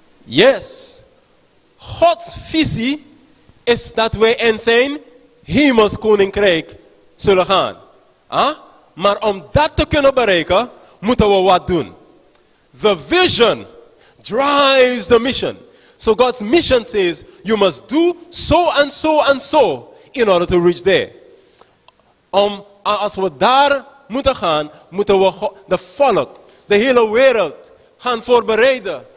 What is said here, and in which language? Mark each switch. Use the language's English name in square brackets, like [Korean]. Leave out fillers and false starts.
[Dutch] Yes, Gods visie is dat wij in zijn hemels koninkrijk zullen gaan. Maar om dat te kunnen bereiken, moeten we wat doen. [English] The vision drives the mission. So God's mission says, you must do so and so and so in order to reach there. [Dutch] Als we daar moeten gaan, moeten we de volk, de hele wereld gaan voorbereiden.